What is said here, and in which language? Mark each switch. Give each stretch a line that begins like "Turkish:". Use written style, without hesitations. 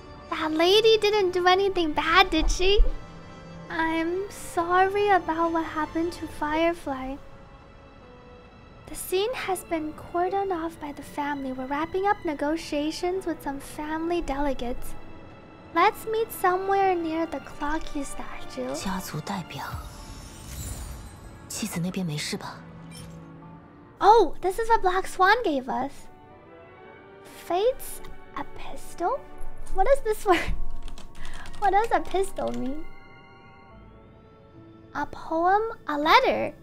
English: That lady didn't do anything bad, did she? I'm sorry about what happened to Firefly. The scene has been cordoned off by the family. We're wrapping up negotiations with some family delegates. Let's meet somewhere near the clocky statue.
Chinese: 家族代表，妻子那边没事吧？
English: Oh, this is what Black Swan gave us. Fate's epistle? What is this word? What does epistle mean? A poem? A letter?